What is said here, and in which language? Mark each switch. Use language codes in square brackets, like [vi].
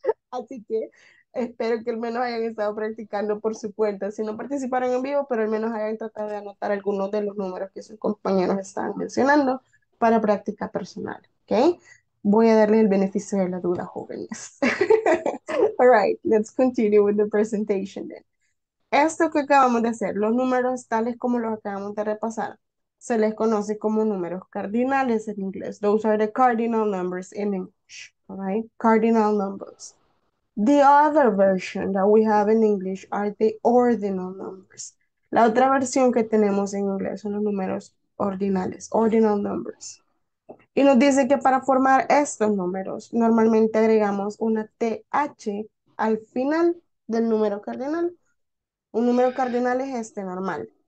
[es] Así que espero que al menos hayan estado practicando por su cuenta. Si no participaron en vivo, pero al menos hayan tratado de anotar algunos de los números que sus compañeros estaban mencionando para práctica personal, ¿ok? Voy a darle el beneficio de la duda, jóvenes. [en] All right, let's continue with the presentation then. [es] Esto que acabamos de hacer, los números tales como los acabamos de repasar, se les conoce como números cardinales en inglés. [en] Those are the cardinal numbers in English, all right? Cardinal numbers. The other version that we have in English are the ordinal numbers. [es] La otra versión que tenemos en inglés son los números ordinales, ordinal numbers. Y nos dice que para formar estos números, normalmente agregamos una TH al final del número cardinal. Un número cardinal es este normal.